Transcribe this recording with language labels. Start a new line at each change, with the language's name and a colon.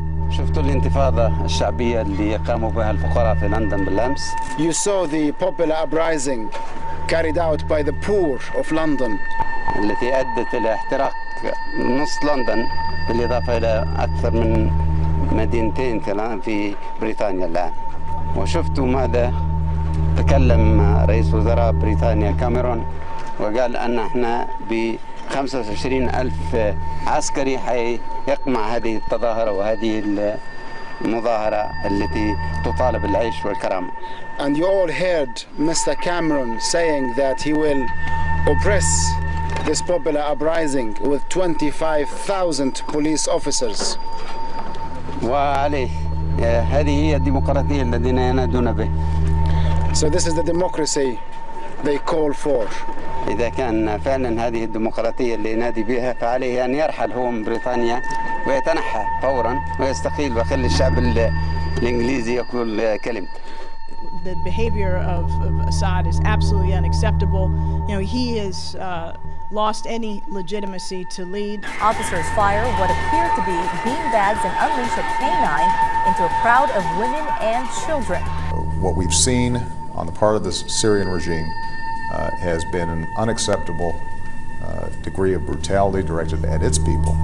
Arabic: شفتوا الانتفاضة الشعبية اللي قاموا بها الفقراء في لندن بالأمس.
English: You saw the popular uprising carried out by the poor of London.
Arabic: التي أدت إلى احتراق نص لندن بالإضافة إلى أكثر من مدينتين كمان في بريطانيا الآن. وشفتوا ماذا تكلم رئيس وزراء بريطانيا كاميرون وقال أن احنا ب 25,000 عسكري حيقمع هذه التظاهرة وهذه المظاهرة التي تطالب العيش والكرامة.
English: And you all heard Mr. Cameron saying that he will oppress this popular uprising with 25,000 police officers.
Arabic: وعليه هذه هي الديمقراطية الذين ينادون به.
English: So this is the democracy they call for.
Arabic: إذا كان فعلا هذه الديمقراطية اللي ينادي بها فعليه أن يرحل هو من بريطانيا ويتنحى فورا ويستقيل ويخلي الشعب الإنجليزي يقول كلمته.
English: The behavior of Assad is absolutely unacceptable. You know, he has lost any legitimacy to lead. Officers fire what appear to be beanbags and unleash a canine into a crowd of women and children. What we've seen on the part of the Syrian regime has been an unacceptable degree of brutality directed at its people.